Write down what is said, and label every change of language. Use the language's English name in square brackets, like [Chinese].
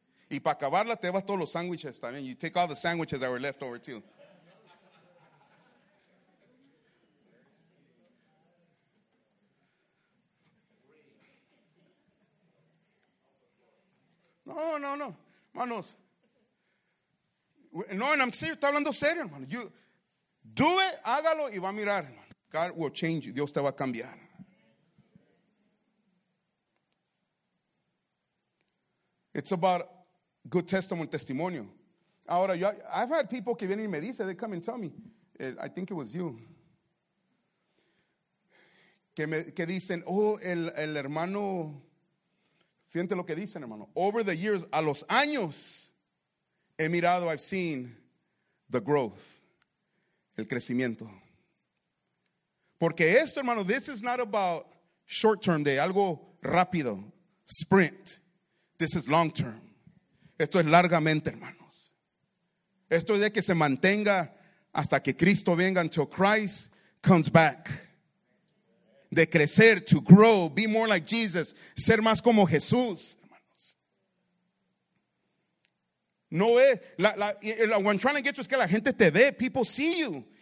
[Spanish] Y para acabarla, te vas todos los sándwiches también. [English] You take all the sandwiches that were left over too. No. Manos. No, and I'm serious. [Spanish] Está hablando serio, hermano. [English] You do it, [Spanish] hágalo y va a mirar, hermano. [English] God will change you. [Spanish] Dios te va a cambiar. [English] It's about good testimony, testimonio. [Spanish] Ahora, [English] I've had people [Spanish] que vienen y me dicen, [English] they come and tell me, I think it was you, [Spanish] que dicen, oh, el hermano, fíjate lo que dicen, hermano. [English] Over the years, [Spanish] a los años, he mirado, [English] I've seen the growth, [Spanish] el crecimiento. Porque esto, hermano, [English] this is not about short term, [Spanish] de algo rápido, [English] sprint. This is long term. [Spanish] Esto es largamente, hermanos. Esto es de que se mantenga hasta que Cristo venga, [English] until Christ comes back. [Spanish] De crecer, [English] to grow, be more like Jesus, [Spanish] ser más como Jesús, hermanos. No es, [English] what I'm trying to get you is [Spanish] que la gente te ve, [English] people see you.